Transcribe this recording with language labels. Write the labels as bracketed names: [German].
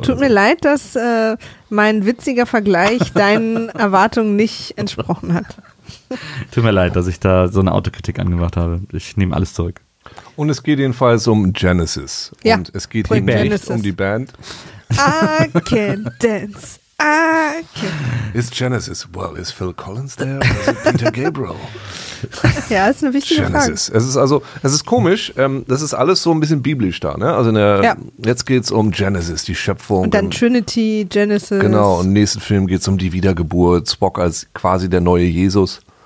[German] Tut mir leid, dass mein witziger Vergleich deinen Erwartungen nicht entsprochen hat. Tut mir leid, dass ich da so eine Autokritik angemacht habe. Ich nehme alles zurück. Und es geht jedenfalls um Genesis. Ja, und es geht hier Genesis. Nicht um die Band. [English] I can dance. I can. Is Genesis, well, is Phil Collins there or is it Peter Gabriel? [German] Ja, ist eine wichtige Genesis. Frage. Genesis. Es ist komisch, das ist alles so ein bisschen biblisch da, ne? Also jetzt geht's um Genesis, die Schöpfung. Und dann Trinity, Genesis. Genau, und im nächsten Film geht's um die Wiedergeburt, Spock als quasi der neue Jesus.